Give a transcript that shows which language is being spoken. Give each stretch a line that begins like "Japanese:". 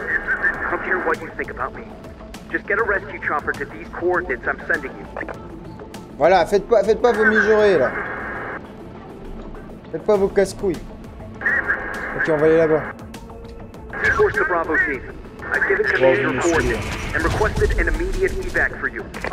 English: I don't care what you think about me. Just get a rescue chopper to these coordinates I'm sending you.
French: Voilà, faites pas vos mijaurés là. Faites pas vos casse-couilles. Ok, on va aller là-bas.
English: Force the Bravo team. I've given command your coordinates and requested an immediate evac for you.